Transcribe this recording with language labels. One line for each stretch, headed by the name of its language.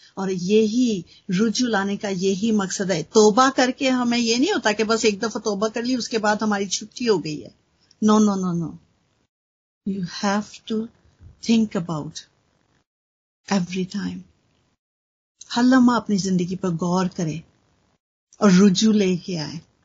Hindi: और यही रुजू लाने का यही मकसद है. तौबा करके हमें ये नहीं होता कि बस एक दफा तौबा कर ली उसके बाद हमारी छुट्टी हो गई है.
English: No. You have to think about every time.
Hindi: हर लम्हा अपनी जिंदगी पर गौर करें और रुजू लेके आए.